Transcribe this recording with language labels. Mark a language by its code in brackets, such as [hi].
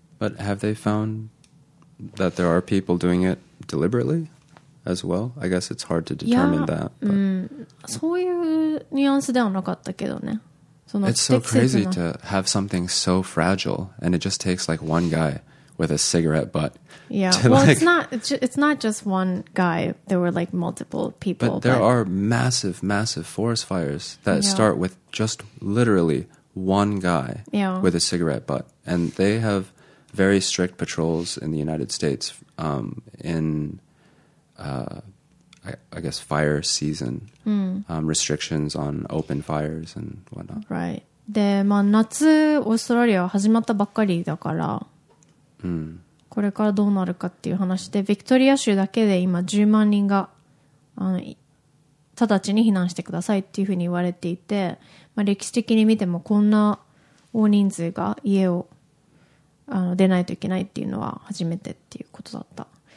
[en] But have they found that there are people doing it deliberately as well? I guess it's hard to determine that. [ja] そういうニュアンスではなかったけどね。その [en] It's so crazy to have something so fragile and it just takes like one guy with a cigarette butt. Yeah, well, like, it's not just one guy. There were like multiple people. But there are massive, massive forest fires that yeah. start with just literally one guy yeah. with a cigarette butt. And they have very strict patrols in the United States in, I guess, fire season. Mm. Restrictions on open fires and whatnot. Right. [ja] で、まあ、夏、オーストラリア始まったばっかりだから。 Mm. これからどうなるかっていう話で、ビクトリア州だけで今10万人が直ちに避難してくださいっていうふうに言われていて、まあ、歴史的に見てもこんな大人数が家を出ないといけないっていうのは初めてっていうことだった。